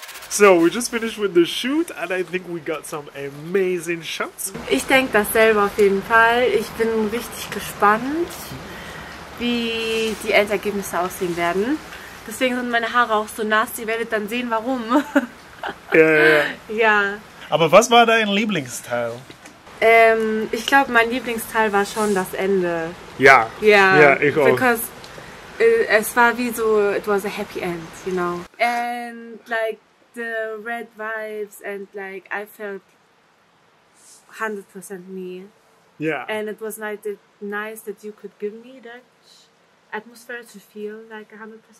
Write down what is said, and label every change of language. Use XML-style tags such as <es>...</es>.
<en>So we just finished with the shoot and I think we got some amazing shots.</en> <de>Ich denke das selber auf jeden Fall. Ich bin richtig gespannt, wie die Endergebnisse aussehen werden. Deswegen sind meine Haare auch so nass. Ihr werdet dann sehen, warum. Ja. Aber was war dein Lieblingsteil? Ich glaube, mein Lieblingsteil war schon das Ende. Ja. Ja, ich auch.</de> <en>Because</en> <de>es war wie so,</de> <en>it was a happy end, you know. And like the red vibes and like I felt 100% me. Yeah. And it was like the nice that you could give me that atmosphere to feel like 100%.</en>